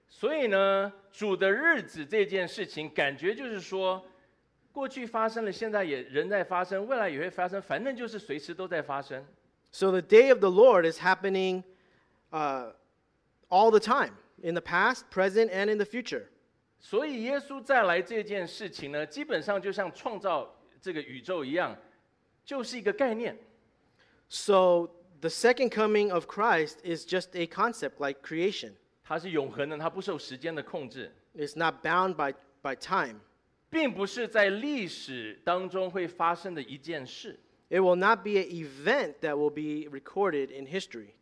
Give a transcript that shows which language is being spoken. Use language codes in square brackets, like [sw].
[zh] 所以呢主的日子这件事情感觉就是说过去发生了现在也仍在发生未来也会发生反正就是随时都在发生 [en] So the day of the Lord is happening all the time, in the past, present, and in the future. [zh] 所以耶稣再来这件事情呢，基本上就像创造这个宇宙一样，就是一个概念。 [en] So the second coming of Christ is just a concept like creation. [zh] 它是永恒的，它不受时间的控制。 [en] It's not bound by time. [zh] 并不是在历史当中会发生的一件事。 [en] It will not be an event that will be recorded in history.